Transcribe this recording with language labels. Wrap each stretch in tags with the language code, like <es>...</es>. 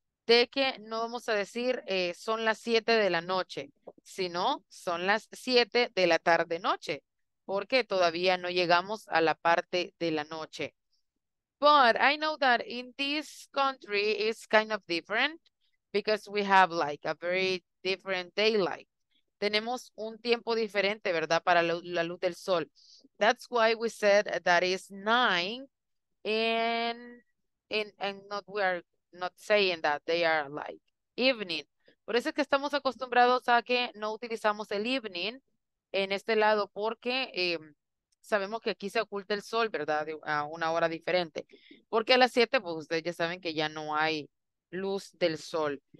<es>De que no vamos a decir son las 7 de la noche, sino son las 7 de la tarde-noche, porque todavía no llegamos a la parte de la noche.</es> <en>But I know that in this country it's kind of different because we have like a very different daylight.</en> <es>Tenemos un tiempo diferente, ¿verdad? Para la luz del sol.</es> <en>That's why we said that is 9 and not we are not saying that they are like evening.</en> <es>Por eso es que estamos acostumbrados a que no utilizamos el evening en este lado porque sabemos que aquí se oculta el sol, ¿verdad? A una hora diferente. Porque a las 7, pues ustedes ya saben que ya no hay luz del sol.</es>